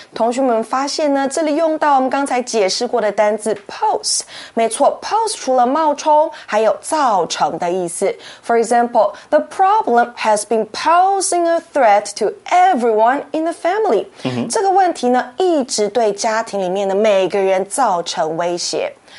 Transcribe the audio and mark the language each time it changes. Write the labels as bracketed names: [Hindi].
[Chinese] 同学们发现呢这里用到我们刚才解释过的单字 pose。没错 pose 除了冒充还有造成的意思。 [English] For example, the problem has been posing a threat to everyone in the family.、 Mm-hmm. [Chinese] 这个问题呢一直对家庭里面的每个人造成威胁。